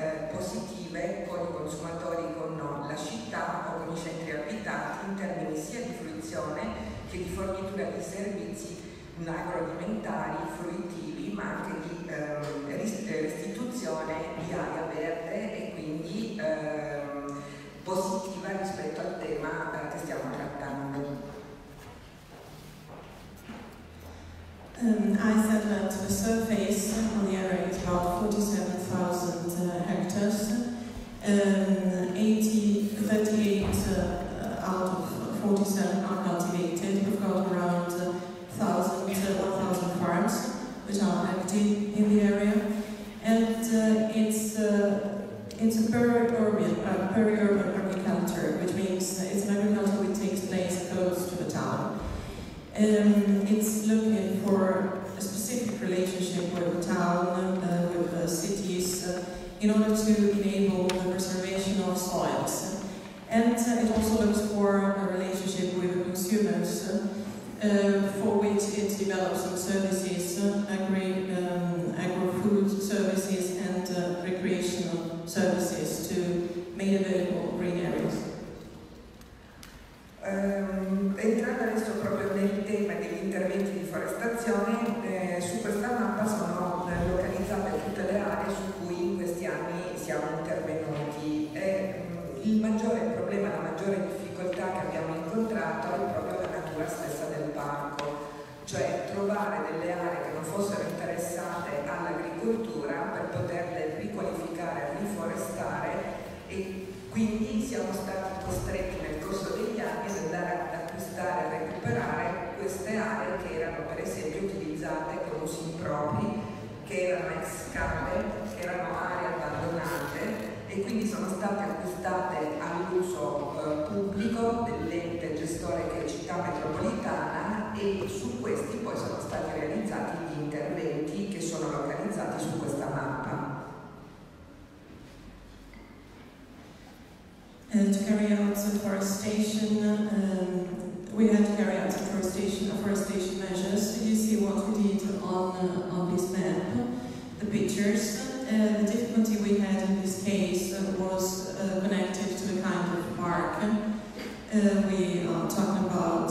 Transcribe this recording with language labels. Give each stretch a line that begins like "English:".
Italian: positive con i consumatori, con la città o con i centri abitati, in termini sia di fruizione che di fornitura di servizi agroalimentari, fruitivi, ma anche di restituzione di aria verde e quindi positiva rispetto al tema che stiamo trattando.
English: I said that the surface on the area is about 47,000 hectares, 38 out of 47 are cultivated. We've got around 1,000 farms which are active in the area, and it's a peri-urban agriculture, which means it's an agriculture which takes place close to the town. It's looking for a specific relationship with the town, with the cities, in order to enable the preservation of soils, and it also looks for a relationship with the consumers. For which it develops some services, agri-food services and recreational services to make available green areas.
Italian: Entrando adesso proprio nel tema degli interventi di forestazione, su questa mappa sono localizzate tutte le aree su cui in questi anni siamo intervenuti. Il maggiore problema, la maggiore difficoltà che abbiamo incontrato è proprio la natura stessa del parco, cioè trovare delle aree che non fossero interessate all'agricoltura per poterle riqualificare, riforestare, e quindi siamo stati costretti nel corso degli anni ad andare ad acquistare e recuperare queste aree che erano per esempio utilizzate con usi impropri, che erano ex cave, che erano aree abbandonate, e quindi sono state acquistate all'uso pubblico dell'ente gestore che è Città Metropolitana, e su questi poi sono stati realizzati gli interventi che sono localizzati su questa mappa.
English: And to carry out the forestation, we had to carry out the forestation measures. You see what we did on this map, the pictures. The difficulty we had in this case was connected to the kind of park we are talking about.